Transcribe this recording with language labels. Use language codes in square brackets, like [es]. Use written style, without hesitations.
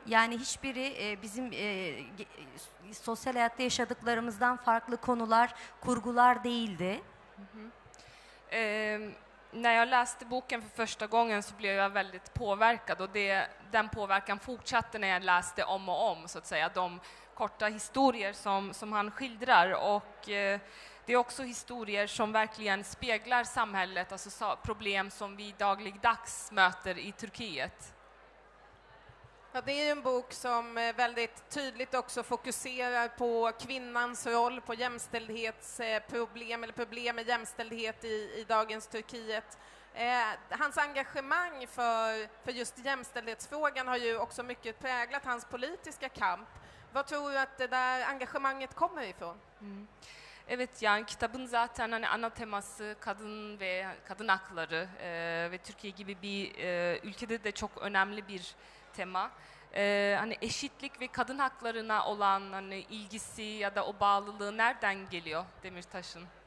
[tr] Yani hiçbiri bizim sosyal hayatta yaşadıklarımızdan farklı konular, kurgular değildi. [sv] När jag läste boken för första gången så blev jag väldigt påverkad, och den påverkan fortsatte när jag läste om och om, så att säga, de korta historier som han skildrar. Och det är också historier som verkligen speglar samhället, alltså problem som vi dagligdags möter i Turkiet. Ja, det är ju en bok som väldigt tydligt också fokuserar på kvinnans roll, på jämställdhetsproblem eller problem med jämställdhet i dagens Turkiet. Hans engagemang för just jämställdhetsfrågan har ju också mycket präglat hans politiska kamp. Vad tror du att det där engagemanget kommer ifrån? [tr] Evet, yani kitabın zaten hani ana teması kadın ve kadın hakları ve Türkiye gibi bir ülkede de çok önemli bir tema. Hani eşitlik ve kadın haklarına olan hani ilgisi ya da o bağlılığı nereden geliyor Demirtaş'ın?